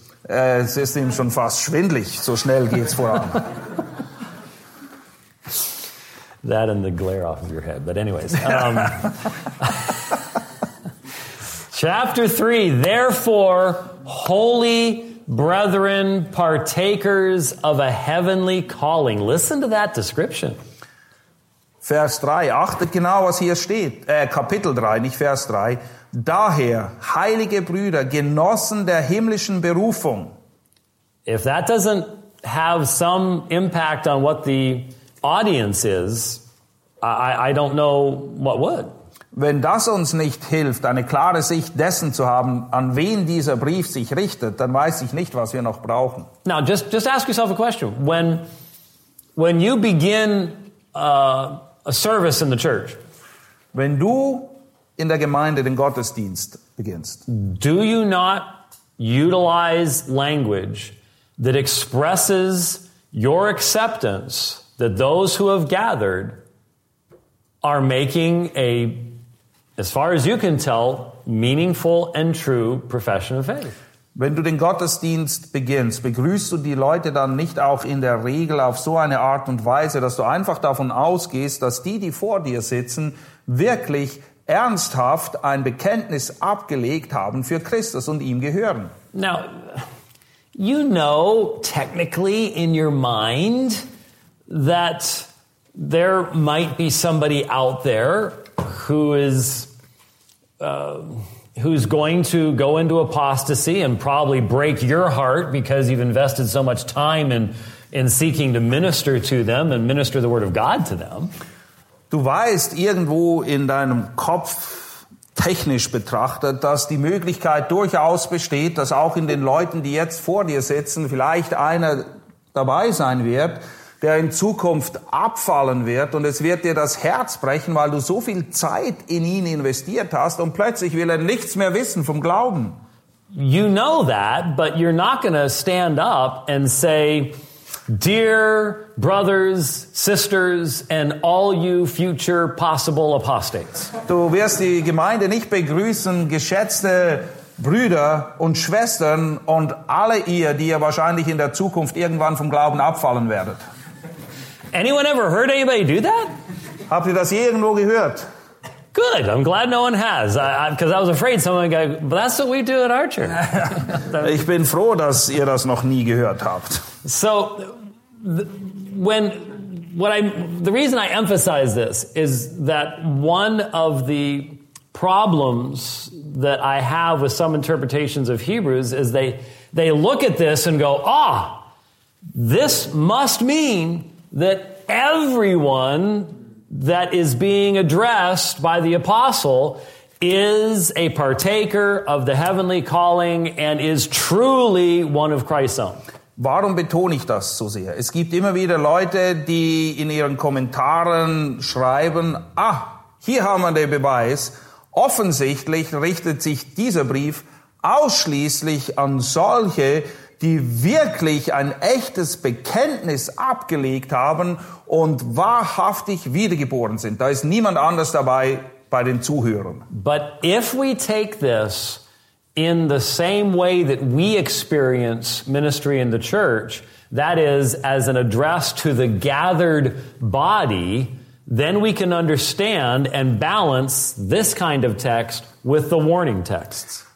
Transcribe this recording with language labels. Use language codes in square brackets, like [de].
[de] Es ist ihm schon fast schwindelig, so schnell geht's voran. [en] That and the glare off of your head. But anyways. Chapter 3, therefore, holy brethren, partakers of a heavenly calling. Listen to that description. [de] Vers 3, achtet genau, was hier steht. Kapitel 3, nicht Vers 3. Daher, heilige Brüder, Genossen der himmlischen Berufung. [en] If that doesn't have some impact on what the audience is, I don't know what would. [de] Wenn das uns nicht hilft, eine klare Sicht dessen zu haben, an wen dieser Brief sich richtet, dann weiß ich nicht, was wir noch brauchen. [en] Now, just ask yourself a question. When you begin a service in the church, [de] wenn du in der Gemeinde den Gottesdienst beginnst, [en] do you not utilize language that expresses your acceptance that those who have gathered are making a, as far as you can tell, meaningful and true profession of faith? [de] Wenn du den Gottesdienst beginnst, begrüßt du die Leute dann nicht auch in der Regel auf so eine Art und Weise, dass du einfach davon ausgehst, dass die, die vor dir sitzen, wirklich ernsthaft ein Bekenntnis abgelegt haben für Christus und ihm gehören? [en] Now, you know technically in your mind that there might be somebody out there who is who's going to go into apostasy and probably break your heart because you've invested so much time in seeking to minister to them and minister the word of God to them. [de] Du weißt irgendwo in deinem Kopf, technisch betrachtet, dass die Möglichkeit durchaus besteht, dass auch in den Leuten, die jetzt vor dir sitzen, vielleicht einer dabei sein wird, der in Zukunft abfallen wird und es wird dir das Herz brechen, weil du so viel Zeit in ihn investiert hast und plötzlich will er nichts mehr wissen vom Glauben. [en] You know that, but you're not going to stand up and say, dear brothers, sisters and all you future possible apostates. [de] Du wirst die Gemeinde nicht begrüßen, geschätzte Brüder und Schwestern und alle ihr, die ihr wahrscheinlich in der Zukunft irgendwann vom Glauben abfallen werdet. [en] Anyone ever heard anybody do that? [de] Habt ihr das je irgendwo gehört? [en] Good. I'm glad no one has. Because I was afraid someone would go, but that's what we do at our church. [de] Ich bin froh, dass ihr das noch nie gehört habt. [en] So, the reason I emphasize this is that one of the problems that I have with some interpretations of Hebrews is they look at this and go, ah, this must mean that everyone that is being addressed by the apostle is a partaker of the heavenly calling and is truly one of Christ's own. [de] Warum betone ich das so sehr? Es gibt immer wieder Leute, die in ihren Kommentaren schreiben, ah, hier haben wir den Beweis. Offensichtlich richtet sich dieser Brief ausschließlich an solche, die wirklich ein echtes Bekenntnis abgelegt haben und wahrhaftig wiedergeboren sind. Da ist niemand anders dabei bei den Zuhörern. [en] But if we take this in the same way that we experience ministry in the church, that is, as an address to the gathered body, then we can understand and balance this kind of text with the warning texts.